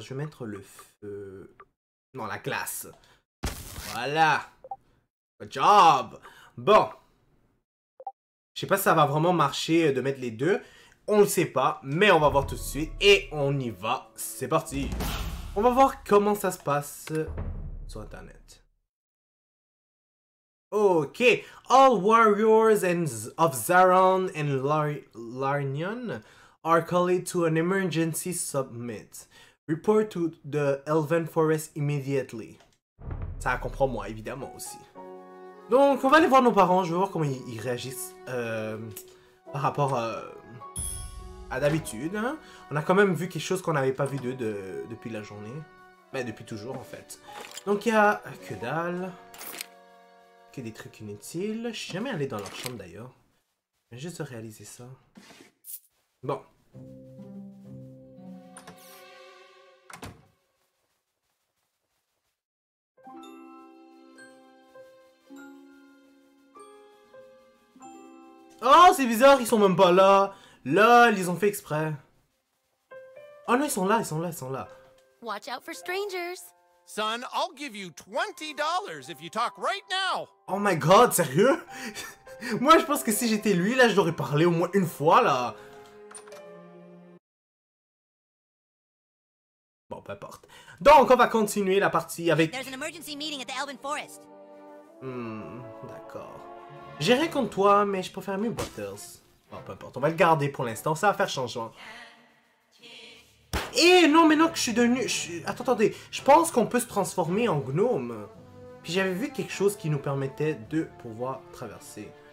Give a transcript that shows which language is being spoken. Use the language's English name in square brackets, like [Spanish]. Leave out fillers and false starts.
[French] Je vais mettre le feu... Non, la glace. Voilà. [English] Good job. [French] Bon. Je sais pas si ça va vraiment marcher de mettre les deux. On le sait pas, mais on va voir tout de suite et on y va. C'est parti. On va voir comment ça se passe sur Internet. Ok. [English] All warriors of Zaron and Larnion are called to an emergency summit. Report to the Elven Forest immediately. [French] Ça comprend moi, évidemment, aussi. Donc, on va aller voir nos parents. Je veux voir comment ils réagissent par rapport à... À d'habitude, hein. On a quand même vu quelque chose qu'on n'avait pas vu d'eux depuis la journée. Ben, depuis toujours, en fait. Donc, il y a que dalle. Que des trucs inutiles. Je suis jamais allé dans leur chambre, d'ailleurs. Je viens juste de réaliser ça. Bon. Oh, c'est bizarre, ils sont même pas là. LOL, ils ont fait exprès. Oh non, ils sont là. [English] Watch out for strangers. Son, I'll give you $20 if you talk right now. Oh my god, [French] sérieux? Moi, je pense que si j'étais lui, là, je l'aurais parlé au moins une fois, là. peu importe. Donc, on va continuer la partie avec... [English] There's an emergency meeting at the Elven Forest. [French] D'accord. J'ai rien contre toi, mais je préfère mieux Butters. Bon, peu importe, on va le garder pour l'instant, ça va faire changement. Et non, maintenant que je suis devenu... Attendez, je pense qu'on peut se transformer en gnome. Puis j'avais vu quelque chose qui nous permettait de pouvoir traverser.